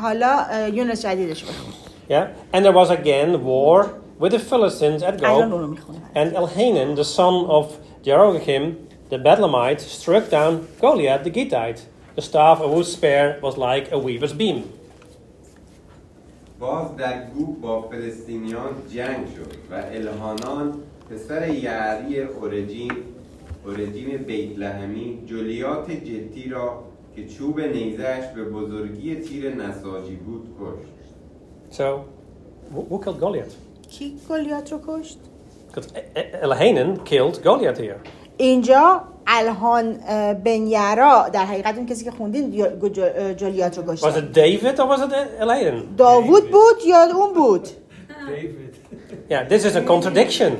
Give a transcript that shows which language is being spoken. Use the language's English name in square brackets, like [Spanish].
[Persian] حالا یونس جدیدش بخون. [English] Yeah. And there was again war with the Philistines at Gob. And Elhanan, the son of Jerochim, the Bethlehemite, struck down Goliath the Gittite. The staff of whose spear was like a weaver's beam. [Persian] باز در گوب با فلسطینیان جنگ شد و الهانان پسر یعری اورجیم بیت لحمی جولیات جتی را که چوب نیزهش به بزرگی تیر نساجی بود کشت. [English] So, who killed Goliath? [Persian] کی گولیات رو کشت؟ [English] Elhanan killed Goliath here. [Persian] اینجا الهان بن یرا در حقیقت اون کسی که خوندین جولیات رو کشت. [English] Was it David or was it Elhanan? [Persian] داوود بود یا اون بود؟ [English] David. Yeah, this is a contradiction.